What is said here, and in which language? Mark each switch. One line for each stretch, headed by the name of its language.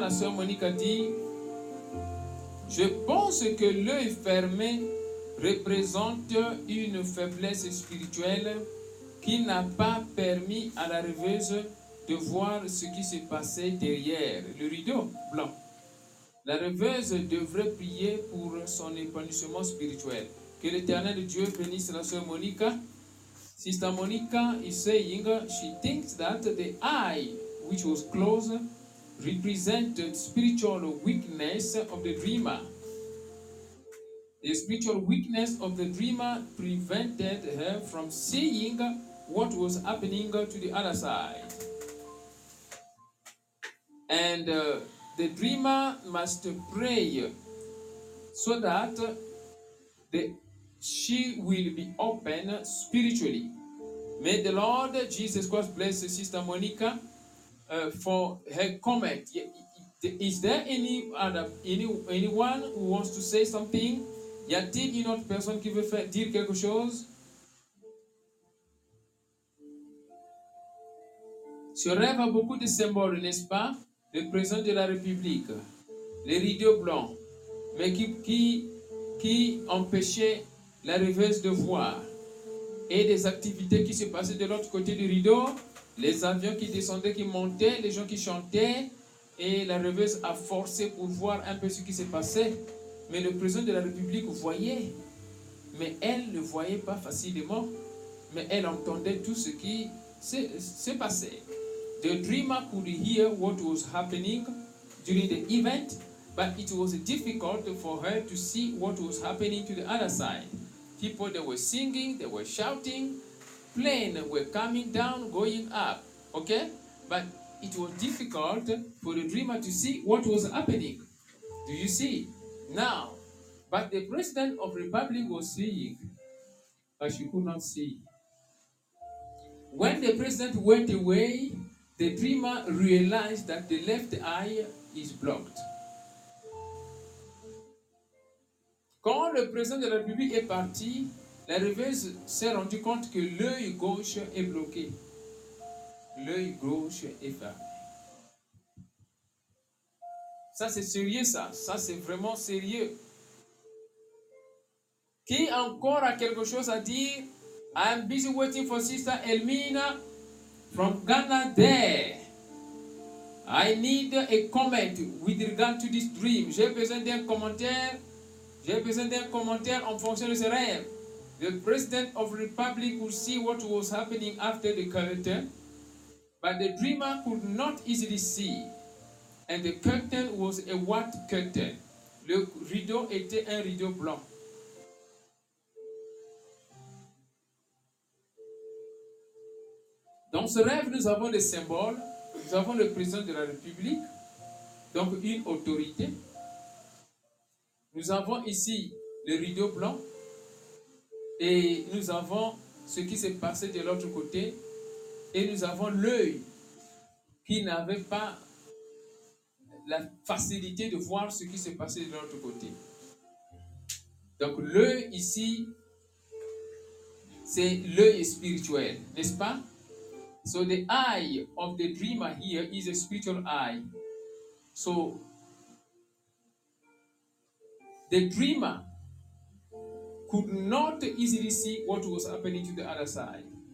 French: La sœur Monica dit, je pense que l'œil fermé représente une faiblesse spirituelle qui n'a pas permis à la rêveuse de voir ce qui se passait derrière le rideau blanc. La rêveuse devrait prier pour son épanouissement spirituel. Que l'Éternel Dieu bénisse la sœur Monica.
English: Sister Monica is saying she thinks that the eye which was closed represented spiritual weakness of the dreamer. The spiritual weakness of the dreamer prevented her from seeing what was happening to the other side. And the dreamer must pray so that she will be open spiritually. May the Lord Jesus Christ bless Sister Monica for her comment. Is there anyone who wants to say something?
French: Y a-t-il une autre personne qui veut faire dire quelque chose? Ce rêve a beaucoup de symboles, n'est-ce pas? Le président de la République, les rideaux blancs, mais qui empêchait la rêveuse de voir. Et des activités qui se passaient de l'autre côté du rideau, les avions qui descendaient, qui montaient, les gens qui chantaient, et la rêveuse a forcé pour voir un peu ce qui se passait. Mais le président de la République voyait, mais elle ne voyait pas facilement, mais elle entendait tout ce qui se passait.
English: The dreamer could hear what was happening during the event, but it was difficult for her to see what was happening to the other side. People, they were singing, they were shouting, planes were coming down, going up, okay? But it was difficult for the dreamer to see what was happening. Do you see? Now, but the president of the republic was seeing, but she could not see. When the president went away, the dreamer realized that the left eye is blocked.
French: Quand le président de la République est parti, la rêveuse s'est rendue compte que l'œil gauche est bloqué. L'œil gauche est fermé. Ça, c'est sérieux, ça. Ça, c'est vraiment sérieux. Qui encore a quelque chose à dire?
English: I'm busy waiting for Sister Elmina from Ghana there. I need a comment with regard to this dream.
French: J'ai besoin d'un commentaire. J'ai besoin d'un commentaire en fonction de ce rêve.
English: The president of the republic could see what was happening after the curtain, but the dreamer could not easily see. And the curtain was a what curtain?
French: Le rideau était un rideau blanc. Dans ce rêve, nous avons des symboles. Nous avons le président de la République, donc une autorité. Nous avons ici le rideau blanc et nous avons ce qui s'est passé de l'autre côté et nous avons l'œil qui n'avait pas la facilité de voir ce qui s'est passé de l'autre côté. Donc l'œil ici, c'est l'œil spirituel, n'est-ce pas?
English: So the eye of the dreamer here is a spiritual eye. So the dreamer could not easily see what was happening to the other side.